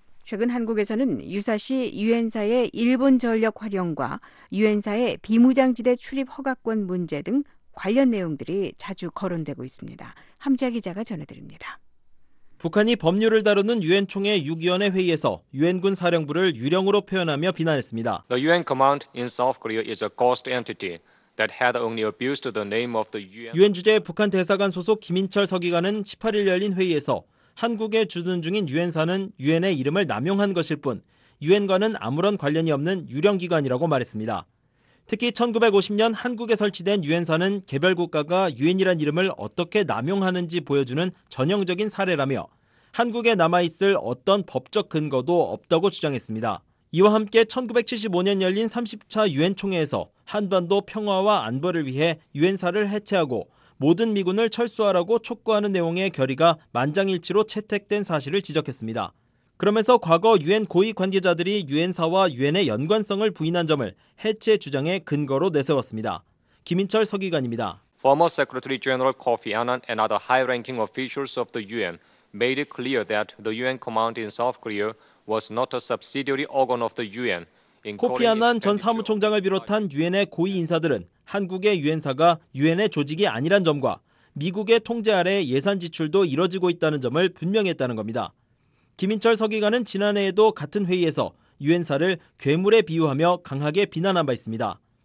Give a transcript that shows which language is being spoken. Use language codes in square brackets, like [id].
[ko] 최근 한국에서는 유사시 유엔사의 일본 전력 활용과 유엔사의 비무장지대 출입 허가권 문제 등 관련 내용들이 자주 거론되고 있습니다. 함지아 기자가 전해드립니다. 북한이 법률을 다루는 유엔총회 6위원회 회의에서 유엔군 사령부를 유령으로 표현하며 비난했습니다. [en] The UN command in South Korea is a ghost entity. That had only abused the name of the UN. [ko] 유엔 주재 북한 대사관 소속 김인철 서기관은 18일 열린 회의에서 한국에 주둔 중인 유엔사는 유엔의 이름을 남용한 것일 뿐 유엔과는 아무런 관련이 없는 유령 기관이라고 말했습니다. 특히 1950년 한국에 설치된 유엔사는 개별 국가가 유엔이란 이름을 어떻게 남용하는지 보여주는 전형적인 사례라며 한국에 남아 있을 어떤 법적 근거도 없다고 주장했습니다. 이와 함께 1975년 열린 30차 유엔 총회에서 한반도 평화와 안보를 위해 유엔사를 해체하고 모든 미군을 철수하라고 촉구하는 내용의 결의가 만장일치로 채택된 사실을 지적했습니다. 그러면서 과거 유엔 고위 관계자들이 유엔사와 유엔의 연관성을 부인한 점을 해체 주장의 근거로 내세웠습니다. 김인철 서기관입니다. [en] Former Secretary General Kofi Annan and other high-ranking officials of the UN made it clear that the UN command in South Korea was not a subsidiary organ of the UN. [ko] 코피 아난 전 사무총장을 비롯한 유엔의 고위 인사들은 한국의 유엔사가 유엔의 조직이 아니란 점과 미국의 통제 아래 예산 지출도 이뤄지고 있다는 점을 분명했다는 겁니다. 김인철 서기관은 지난해에도 같은 회의에서 유엔사를 괴물에 비유하며 강하게 비난한 바 있습니다.